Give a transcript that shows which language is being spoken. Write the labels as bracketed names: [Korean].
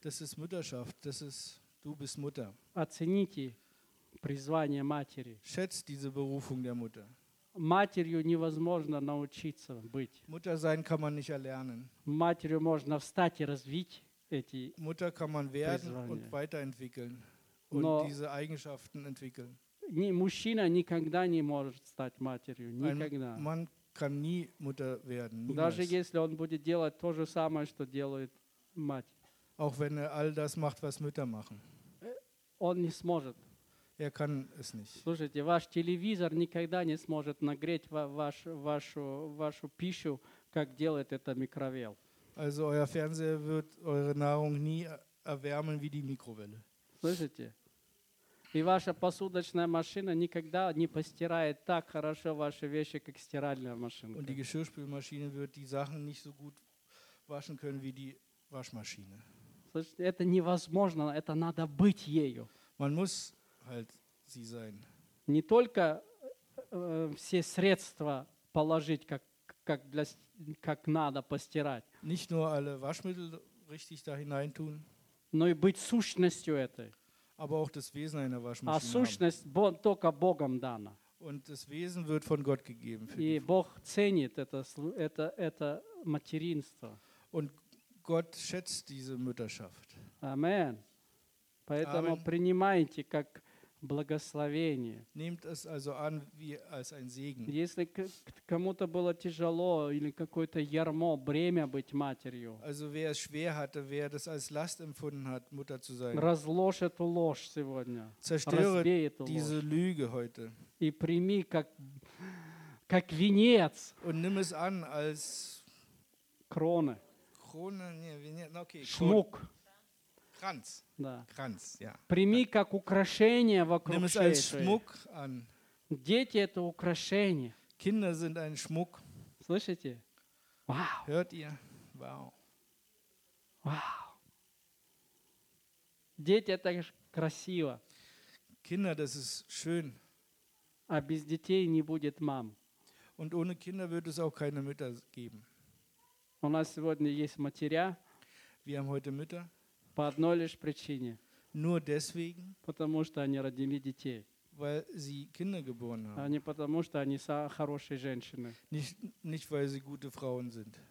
[German] Das ist Mutterschaft, du bist Mutter. [Russian] Оцените призвание матери. [German] Schätz diese Berufung der Mutter. [Russian] Матерью невозможно научиться быть. [German] Mutter sein kann man nicht erlernen. [Russian] Матерью можно встать и развить эти [German] Mutter kann man werden und weiterentwickeln und diese Eigenschaften entwickeln. [Russian] Ни мужчина никогда не может стать матерью, никогда. [German] Man kann nie Mutter werden. Niemals. [Russian] Даже если он будет делать то же самое, что делает мать. [German] Auch wenn er all das macht, was Mütter machen. [Russian] Он не сможет. [German] Er kann es nicht. [Russian] Слушайте, ваш телевизор никогда не сможет нагреть вашу пищу, как делает это микровел. [German] Also euer Fernseher wird eure Nahrung nie erwärmen wie die Mikrowelle. [Russian] Слышите? И ваша посудочная машина никогда не постирает так хорошо ваши вещи, как стиральная машина. [German] Und die Geschirrspülmaschine wird die Sachen nicht so gut waschen können wie die Waschmaschine. [Russian] Слушайте, это невозможно, это надо быть ею. [German] Man muss halt sie sein. [Russian] Не только все средства положить как надо постирать. [German] Nicht nur alle Waschmittel richtig da hineintun. [Russian] Но и быть сущностью этой. [German] Aber auch das Wesen einer Waschmaschine. [Russian] А сущность только Богом дана. [German] Und das Wesen wird von Gott gegeben. [Russian] И Бог ценит это материнство. [German] Und Gott schätzt diese Mütterschaft. Amen. [Russian] Поэтому Amen. Принимайте как благословение. [German] Nehmt es also an wie als ein Segen. [Russian] Если кому-то было тяжело или какое-то ярмо, бремя быть матерью. [German] Also wer es schwer hatte, wer das als Last empfunden hat, Mutter zu sein. [Russian] Разложь эту ложь сегодня. [German] Zerstöre diese Lüge heute. [Russian] И прими как венец. [German] Und nimm es an als Krone. Krone, nee, Venez, okay. Schmuck. Kranz. [Russian] Да. [German] Kranz, yeah. [Russian] Прими как украшение вокруг шеи. [German] Nimm es als Schmuck an. [Russian] Дети это украшение. [German] Kinder sind ein Schmuck. [Russian] Слышите? Wow. [German] Hört ihr? Wow. Wow. [Russian] Дети это красиво. [German] Kinder, das ist schön. [Russian] А без детей не будет мам. [German] Und ohne Kinder würde es auch keine Mütter geben. [Russian] У нас сегодня есть матеря. [German] Wir haben heute Mütter. [Russian] По одной лишь причине. [German] Nur deswegen, [Russian] потому что они родили детей. [German] Weil sie Kinder geboren haben. [Russian] А не потому что они хорошие женщины. [German] Nicht weil sie gute Frauen sind.